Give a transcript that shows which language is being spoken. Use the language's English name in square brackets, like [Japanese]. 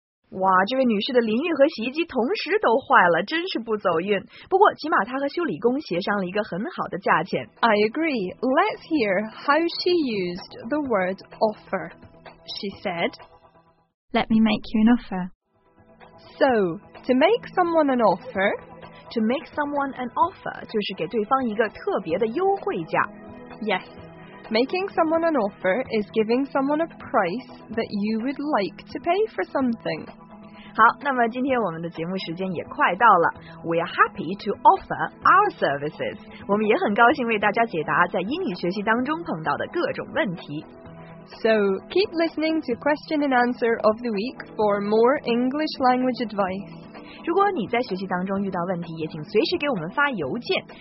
[Chinese] 哇，这位女士的淋浴和洗衣机同时都坏了，真是不走运。不过，起码她和修理工协商了一个很好的价钱。 [English] I agree. Let's hear how she used the word offer. She said, Let me make you an offer. So, to make someone an offer, to make someone an offer [Chinese] 就是给对方一个特别的优惠价。 [English] Yes, making someone an offer is giving someone a price that you would like to pay for something. [Chinese] 好，那么今天我们的节目时间也快到了。 [English] We are happy to offer our services. [Chinese] 我们也很高兴为大家解答在英语学习当中碰到的各种问题。 [English] So, keep listening to Question and Answer of the Week for more English language advice. [Chinese] 如果你在学习当中遇到问题，也请随时给我们发邮件。